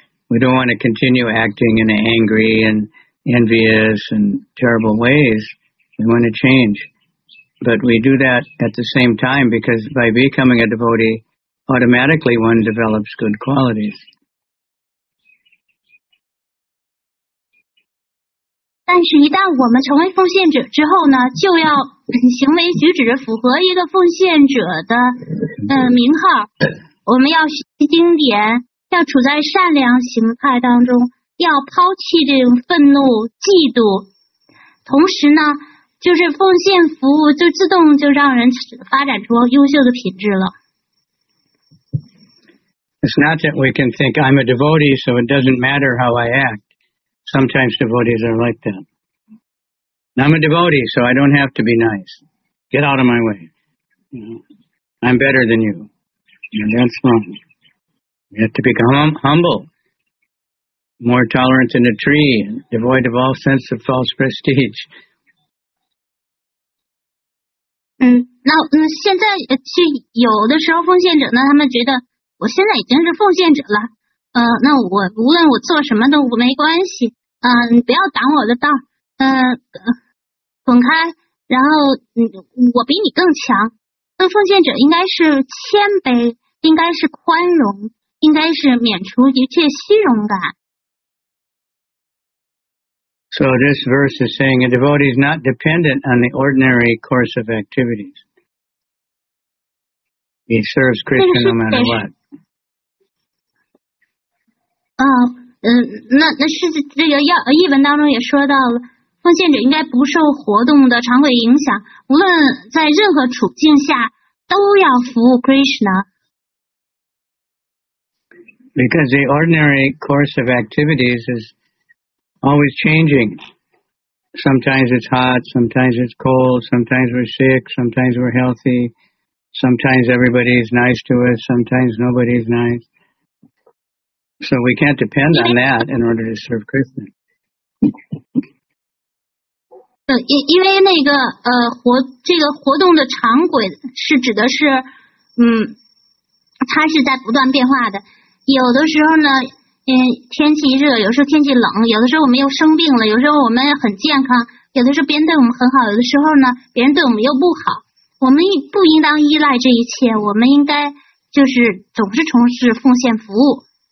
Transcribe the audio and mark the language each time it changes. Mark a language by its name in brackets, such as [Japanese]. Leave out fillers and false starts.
[English] We don't want to continue acting in angry and envious and terrible ways. We want to change. But we do that at the same time because by becoming a devotee, automatically one develops good qualities. [Chinese] 但是一旦我们成为奉献者之后呢就要行为举止符合一个奉献者的名号我们要学经典要处在善良形态当中要抛弃这种愤怒嫉妒同时呢就是奉献服务就自动就让人发展出优秀的品质了 [English] It's not that we can think I'm a devotee so it doesn't matter how I act sometimes devotees are like that I'm a devotee so I don't have to be nice get out of my way I'm better than you. And that's wrong. You have to become humble, more tolerant than a tree, devoid of all sense of false prestige. [Chinese] 现在去有的时候奉献者呢，他们觉得我现在已经是奉献者了，那我无论我做什么都没关系，你不要挡我的道，滚开，然后我比你更强。那奉献者应该是谦卑，应该是宽容，应该是免除一切虚荣感。 [English] So this verse is saying a devotee is not dependent on the ordinary course of activities. He serves Krishna no matter what. [Chinese] 那是这个要译文当中也说到了。奉献者应该不受活动的常规影响，无论在任何处境下都要服务 Krishna。 [English] Because the ordinary course of activities is always changing. Sometimes it's hot, sometimes it's cold, sometimes we're sick, sometimes we're healthy, sometimes everybody is nice to us, sometimes nobody is nice. So we can't depend on that in order to serve Krishna. [Chinese] 因为那个这个活动的常轨是指的是它是在不断变化的有的时候呢天气热有时候天气冷有的时候我们又生病了有时候我们很健康有的时候别人对我们很好有的时候呢别人对我们又不好我们不应当依赖这一切我们应该就是总是从事奉献服务。